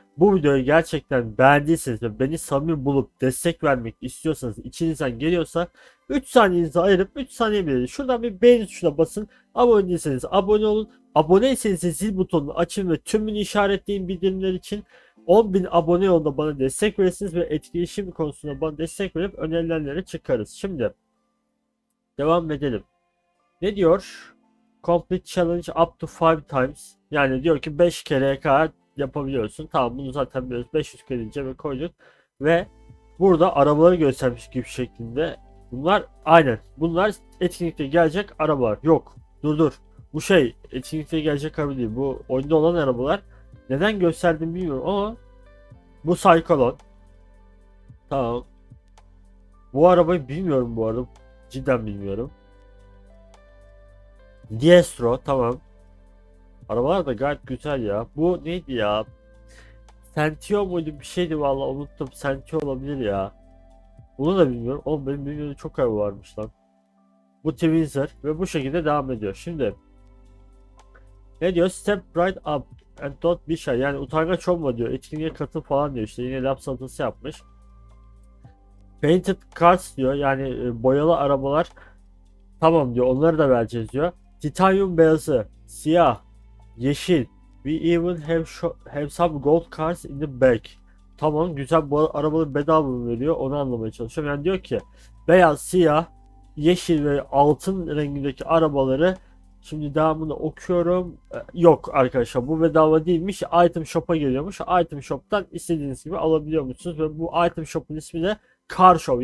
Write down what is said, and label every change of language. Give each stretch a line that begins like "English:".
Turkish: Bu videoyu gerçekten beğendiyseniz ve beni samimi bulup destek vermek istiyorsanız, içinizden geliyorsa 3 saniyenizi ayırıp 3 saniye bile şuradan bir beğeni tuşuna basın. Abone değilseniz abone olun. Aboneyseniz de zil butonunu açın ve tümünü işaretleyin bildirimler için. 10.000 abone yolunda bana destek verirsiniz ve etkileşim konusunda bana destek verip önerilenlere çıkarız. Şimdi devam edelim. Ne diyor?
English: Complete challenge up to 5 times.
Turkish: Yani diyor ki 5 kereye kadar yapabiliyorsun. Tamam, bunu zaten biliyoruz. 500 kredi cebe koyduk. Ve burada arabaları göstermiş gibi şeklinde. Bunlar aynen. Bunlar etkinlikte gelecek arabalar. Yok. Dur dur. Bu şey etkinlikte gelecek araba değil. Bu oyunda olan arabalar. Neden gösterdim bilmiyorum ama bu Cyclone. Tamam. Bu arabayı bilmiyorum bu arada. Cidden bilmiyorum. Diestro, tamam. Arabalar da gayet güzel ya. Bu neydi ya? Sentio muydu? Bir şeydi vallahi, unuttum. Sentio olabilir ya. Bunu da bilmiyorum. Oğlum benim bilmiyorum, çok araba varmış lan. Bu Twizzer ve bu şekilde devam ediyor. Şimdi ne diyor?
English: Step right up and don't be shy.
Turkish: Yani utangaç olma diyor. Etkinliğe katıl falan diyor. İşte yine laf salatası yapmış. Painted cars diyor. Yani boyalı arabalar. Tamam diyor. Onları da vereceğiz diyor. Titanium beyazı, siyah, yeşil.
English: We even have some gold cars in the back.
Turkish: Tamam, güzel, bu arabaları bedava mı veriyor? Onu anlamaya çalışıyorum. Yani diyor ki beyaz, siyah, yeşil ve altın rengindeki arabaları şimdi devamını okuyorum. Yok arkadaşlar, bu bedava değilmiş. Item Shop'a geliyormuş. Item Shop'tan istediğiniz gibi alabiliyor musunuz? Ve bu Item Shop'un ismi de Car Shop.